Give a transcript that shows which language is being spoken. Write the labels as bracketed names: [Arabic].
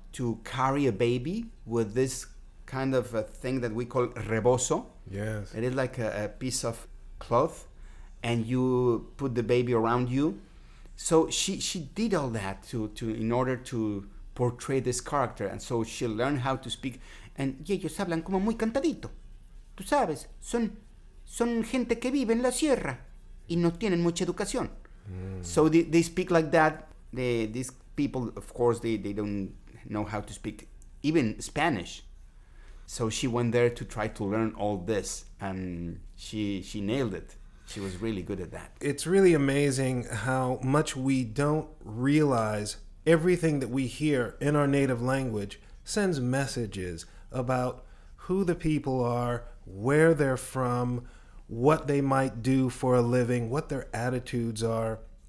[English] to carry a baby with this kind of a thing that we call rebozo. Yes. It is like a piece of cloth, and you put the baby around you. So she did all that to in order to portray this character, and so she learned how to speak. [Spanish] And ellos hablan como muy cantadito. Tú sabes, son gente que vive en la sierra y no tienen mucha educación. [English] So they speak like that. These people, of course, they don't know how to speak even Spanish. So she went there to try to learn all this, and she nailed it. She was really good at that. It's really amazing how much we don't realize everything that we hear in our native language sends messages about who the people are, where they're from, what they might do for a living, what their attitudes are.